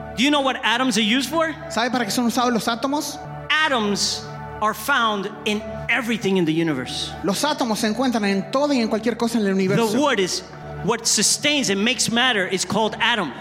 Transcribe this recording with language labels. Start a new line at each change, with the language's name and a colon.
English: Do you know what atoms are used for?
Spanish: ¿Sabe para qué son usados los átomos?
English: Atoms are found in everything in the universe.
Spanish: Los átomos se encuentran en todo y en cualquier cosa en el universo.
English: The wood is what sustains and makes matter is called atom.